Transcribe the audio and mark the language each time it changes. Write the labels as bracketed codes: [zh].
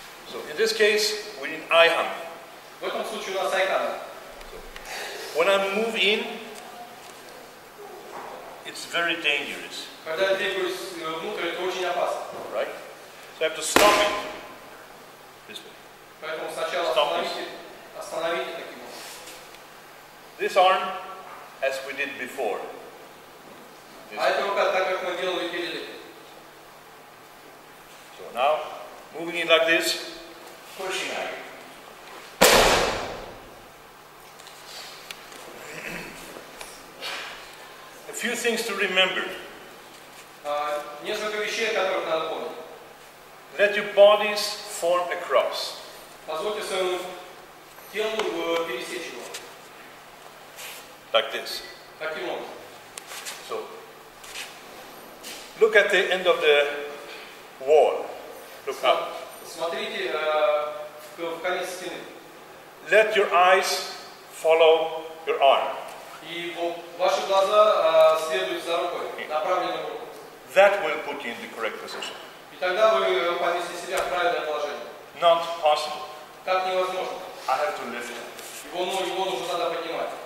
[en] So in this case, we need айхан. [ru] В этом случае у нас айхан. [en] When I move in. very dangerous. [ru] Когда я двигаюсь внутрь, это очень опасно. [en] Right? So you have to stop it. This way. [ru] Поэтому сначала [en] stop [ru] остановите таким образом. [en] This arm, as we did before. This [ru] а эта рука так, как мы делали перед этим. [en] So now, moving it like this. Pushing it. A few things to remember. [ru] Несколько вещей, которых надо помнить. [en] Let your bodies form a cross. [ru] Позвольте своему телу пересечь его. [en] Like this. [ru] Таким образом. [en] So, look at the end of the wall. Look up. [ru] Смотрите в конец стены. [en] Let your eyes follow your arm. [ru] И ваши глаза следуют за рукой, направленной рукой. [en] That will put you in the correct position. [ru] И тогда вы поместите себя в правильное положение. [en] Not possible. [ru] Так невозможно. [en] I have to lift it. [ru] Его ноги, его нужно надо поднимать.